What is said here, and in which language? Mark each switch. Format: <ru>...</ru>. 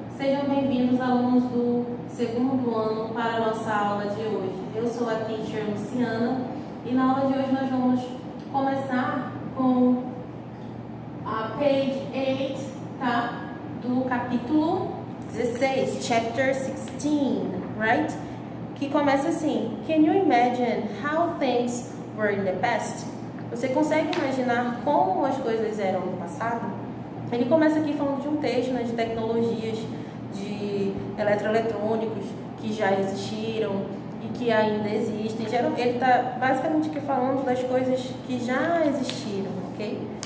<pt>Sejam bem-vindos, alunos do segundo ano, para a nossa aula de hoje. Eu sou a teacher Luciana e na aula de hoje nós vamos começar com a page 8, tá? Do capítulo 16,</pt> <en>chapter 16, right?</en> <pt>Que começa assim:</pt> <en>Can you imagine how things were in the past?</en> <pt>Você consegue imaginar como as coisas eram no passado? Ele começa aqui falando de um texto, né, de tecnologias de eletroeletrônicos que já existiram e que ainda existem. Ele está basicamente aqui falando das coisas que já existiram, ok?</pt>